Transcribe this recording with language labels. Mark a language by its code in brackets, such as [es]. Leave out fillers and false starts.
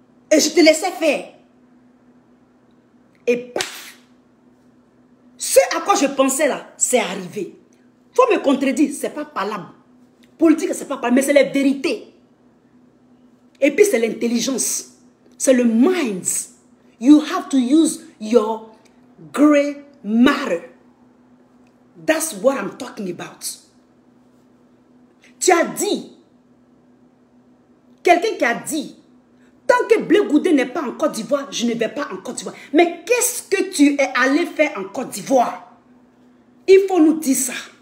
[fr] Et je te laissais faire. Et paf! Ce à quoi je pensais là, c'est arrivé. Faut me contredire, c'est pas palable. Politique, c'est pas palable, mais c'est la vérité. Et puis c'est l'intelligence. C'est le mind. [en] You have to use your gray matter. That's what I'm talking about. [fr] Tu as dit, quelqu'un qui a dit, tant que Blé Goudé n'est pas en Côte d'Ivoire, je ne vais pas en Côte d'Ivoire. Mais qu'est-ce que tu es allé faire en Côte d'Ivoire? Il faut nous dire ça.